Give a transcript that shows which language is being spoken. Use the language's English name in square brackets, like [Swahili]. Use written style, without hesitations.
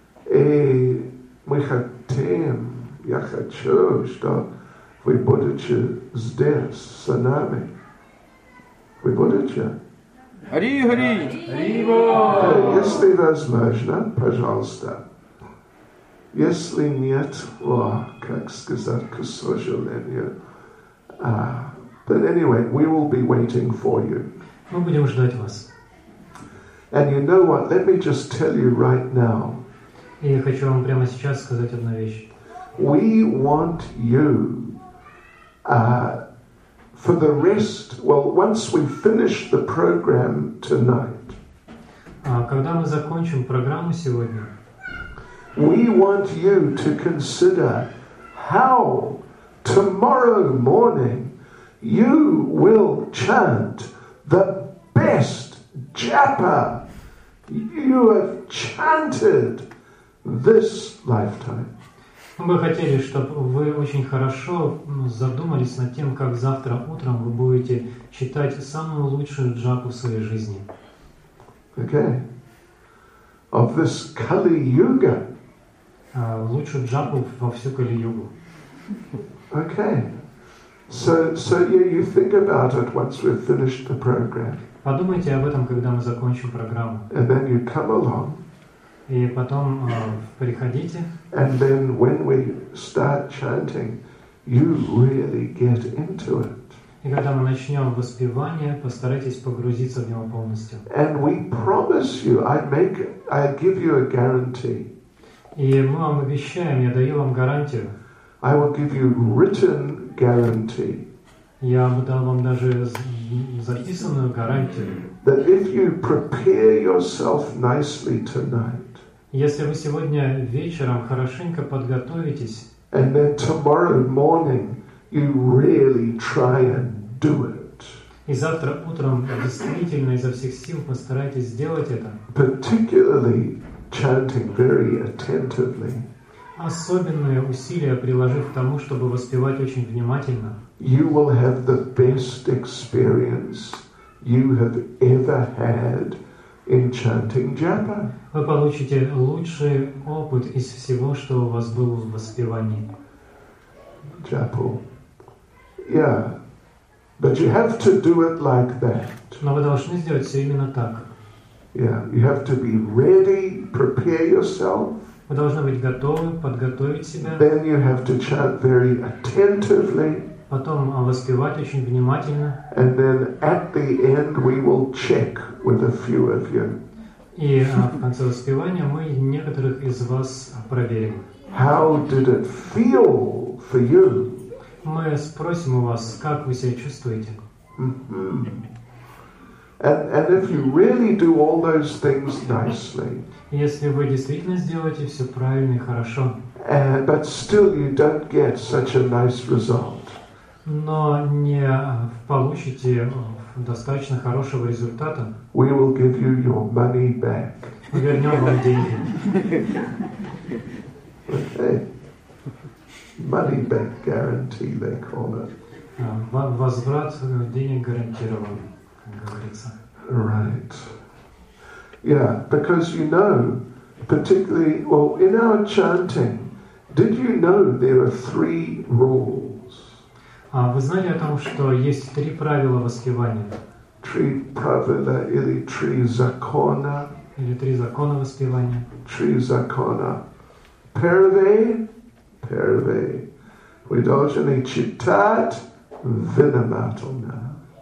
[Russian] И мы хотим, я хочу, что вы будете здесь с нами. Вы будете? Хари-хари! Если возможно, пожалуйста. Если нет, как сказать, к сожалению. [English] But anyway, we will be waiting for you. [Russian] Мы будем ждать вас. [English] And you know what? Let me just tell you right now. [Russian] Я хочу вам прямо сейчас сказать одну вещь. [English] We want you... For the rest, well, once we finish the program tonight, [Russian] когда мы закончим программу сегодня, [English] we want you to consider how tomorrow morning you will chant the best japa you have chanted this lifetime. [Russian] Мы бы хотели, чтобы вы очень хорошо задумались над тем, как завтра утром вы будете читать самую лучшую джапу в своей жизни. [English] Okay. Of this Kali-Yuga. [Russian] Лучшую джапу во всю Кали-Югу. [English] Okay. So yeah, you think about it once we've finished the program. [Russian] Подумайте об этом, когда мы закончим программу. [English] And then you come along. [Russian] И потом приходите. [English] And then when we start chanting, you really get into it. [Russian] И когда мы начнем воспевание, постарайтесь погрузиться в него полностью. [English] And we promise you, I give you a guarantee. [Russian] И мы вам обещаем, я даю вам гарантию. [English] I will give you written guarantee. [Russian] Я бы дал вам даже записанную гарантию. [English] That if you prepare yourself nicely tonight. [Russian] Если вы сегодня вечером хорошенько подготовитесь. [English] And then tomorrow morning you really try and do it. [Russian] И завтра утром действительно изо всех сил постарайтесь сделать это. [English] Particularly chanting very attentively. [Russian] Особенные усилия приложив к тому, чтобы воспевать очень внимательно. [English] You will have the best experience you have ever had in chanting japa. [Russian] Вы получите лучший опыт из всего, что у вас было в воспевании. [English] Japa. Yeah. But you have to do it like that. [Russian] Но вы должны сделать все именно так. [English] Yeah. You have to be ready, prepare yourself. [Russian] Вы должны быть готовы, подготовить себя. [English] Then you have to chant very attentively. [Russian] Потом воспевать очень внимательно. [English] And then at the end we will check with a few of you. [Russian] И в конце воспевания мы некоторых из вас проверим. [English] How did it feel for you? [Russian] Мы спросим у вас, как вы себя чувствуете. [English] And if you really do all those things nicely. [Russian] Если вы действительно сделаете все правильно и хорошо. [English] But still you don't get such a nice result. [Russian] Но не получите достаточно хорошего результата. [English] We will give you your money back. [Russian] Мы вернем вам деньги. [English] Money back guarantee, they call it. [Russian] Возврат денег гарантирован, как говорится. [English] Right. Yeah, because you know, particularly, well, in our chanting, did you know there are three rules? [Russian] Вы знали о том, что есть три правила воспевания? Три правила или три закона. Или три закона воспевания. Три закона. Первое. Вы должны читать внимательно.